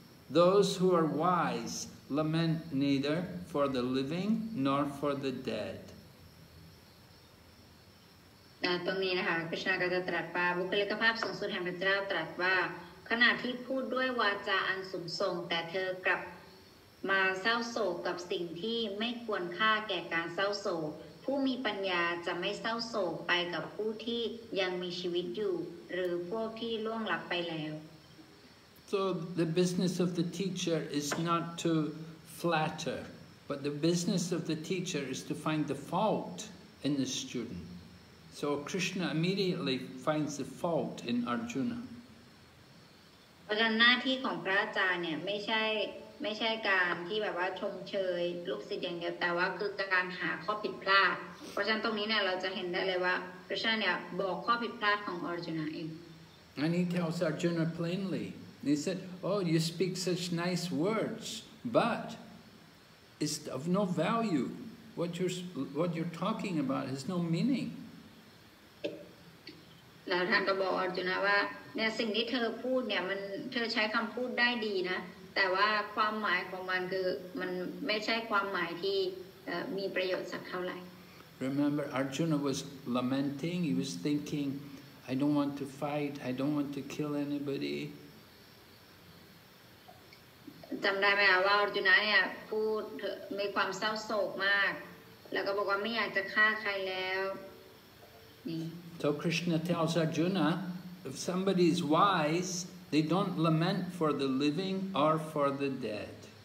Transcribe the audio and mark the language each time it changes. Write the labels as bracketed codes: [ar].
[en] Those who are wise lament neither for the living nor for the dead. [th] ตรงนี้นะคะคริสต์นาก็จะตรัสว่าบุคลิกภาพสูงสุดแห่งพระเจ้าตรัสว่าขณะที่พูดด้วยวาจาอันสูงส่งแต่เธอกลับมาเศร้าโศกกับสิ่งที่ไม่ควรค่าแก่การเศร้าโศกผู้มีปัญญาจะไม่เศร้าโศกไปกับผู้ที่ยังมีชีวิตอยู่หรือพวกที่ล่วงลับไปแล้ว [en] So the business of the teacher is not to flatter but the business of the teacher is to find the fault in the student So Krishna immediately finds the fault in Arjuna [th] เพราะฉะนั้นหน้าที่ของพระอาจารย์เนี่ยไม่ใช่การที่แบบว่าชมเชยลูกศิษย์อย่างเดียวแต่ว่าคือการหาข้อผิดพลาดเพราะฉะนั้นตรงนี้เนี่ยเราจะเห็นได้เลยว่าพระชาเนี่ยบอกข้อผิดพลาดของอาร์จุนะเอง [en] And he tells Arjuna plainly he said oh you speak such nice words but it's of no value what you're talking about has no meaning [th] แล้วท่านก็บอกอาร์จุนะว่าเนี่ยสิ่งที่เธอพูดเนี่ยมันเธอใช้คำพูดได้ดีนะแต่ว่าความหมายของมันคือมันไม่ใช่ความหมายที่มีประโยชน์สักเท่าไหร่ [en] Remember Arjuna was lamenting he was thinking I don't want to fight I don't want to kill anybody [th] จำได้ไหมว่าอาร์จุนะเนี่ยพูดมีความเศร้าโศกมากแล้วก็บอกว่าไม่อยากจะฆ่าใครแล้ว [en] So Krishna tells Arjuna, if somebody is wise, they don't lament for the living or for the dead.